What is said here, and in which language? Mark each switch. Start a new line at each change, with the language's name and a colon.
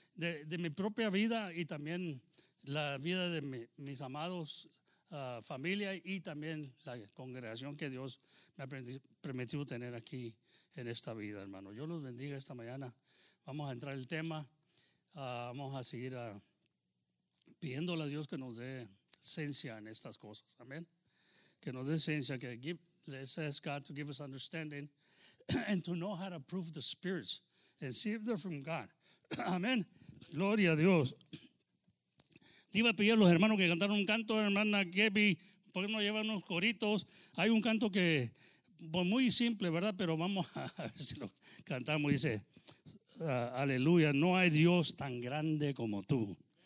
Spanish: De mi propia vida y también la vida de mis amados, familia y también la congregación que Dios me ha permitido tener aquí en esta vida, hermano. Yo los bendiga esta mañana. Vamos a entrar el tema. Vamos a seguir pidiéndole a Dios que nos dé ciencia en estas cosas. Amén. Que nos dé ciencia. Que
English: let's ask God to give us understanding. And to know how to prove the spirits and see if they're from God. Amen.
Spanish: Gloria a Dios. Le iba a pedir a los hermanos que cantaron un canto, hermana Gaby, ¿Por qué no llevan unos coritos? Hay un canto que, pues muy simple, ¿verdad? Pero vamos a ver si lo cantamos. Dice, aleluya, no hay Dios tan grande como tú.